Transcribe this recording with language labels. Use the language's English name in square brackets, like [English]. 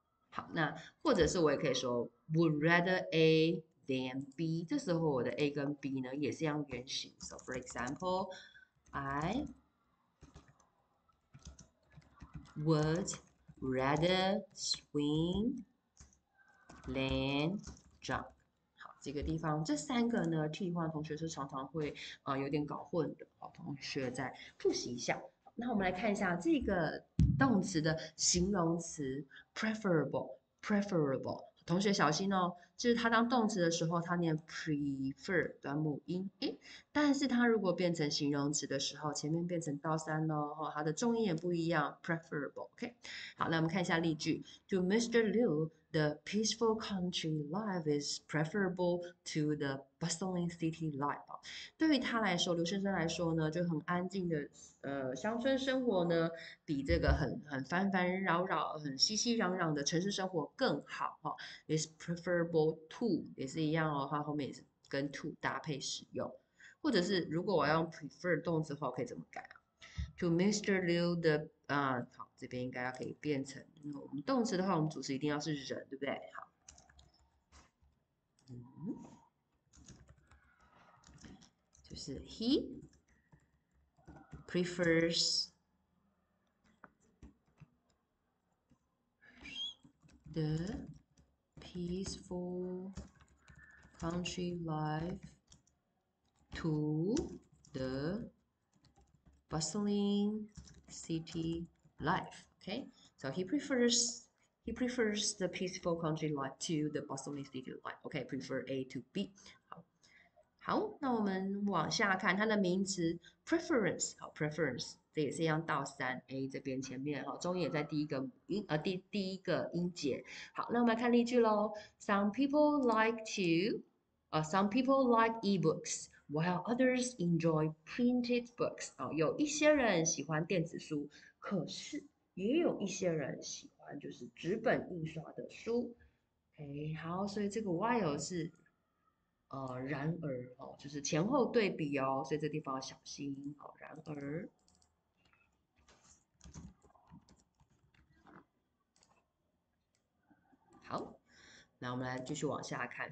[Chinese] 好，那或者是我也可以说 [English] would rather A than B。 [Chinese] 这时候我的 A 跟 B 呢也是一样原型。 [English] So for example，I would rather swing than jump。 [Chinese] 好，这个地方这三个呢替换，同学是常常会有点搞混的。好，同学再复习一下。那我们来看一下这个动词的形容词 preferable。 Preferable，同学小心哦，就是它当动词的时候，它念 prefer 短母音，诶，但是它如果变成形容词的时候，前面变成倒三哦，它的重音也不一样。 [English] Preferable，OK， [Chinese] 好，那我们看一下例句： [English] To Mr. Liu, the peaceful country life is preferable to the bustling city life。 [Chinese] 对于他来说，刘先生来说呢，就很安静的乡村生活呢，比这个很繁繁扰扰、很熙熙攘攘的城市生活更好哈。 [English] Is preferable to [Chinese] 也是一样哦，它后面也是跟 to 搭配使用。或者是如果我要用 prefer 动词的话，我可以怎么改啊？ [English] To Mr. [Chinese] Liu 的好，这边应该要可以变成，我们动词的话，我们主词一定要是人，对不对？好，就是 [English] he prefers the peaceful country life to the bustling city life. Okay, so he prefers the peaceful country life to the bustling city life. Okay, prefer A to B. [Chinese] 好，那我们往下看它的名词 preference 好。好，preference 这也是一样倒三 a 这边前面哈，重音也在第一个音第一个音节。好，那我们来看例句喽。 [English] Some people like e-books while others enjoy printed books。 [Chinese] 哦，有一些人喜欢电子书，可是也有一些人喜欢就是纸本印刷的书。 OK，好，所以这个 while 是。然而哦，就是前后对比哦，所以这地方要小心哦。然而，好，那我们来继续往下看。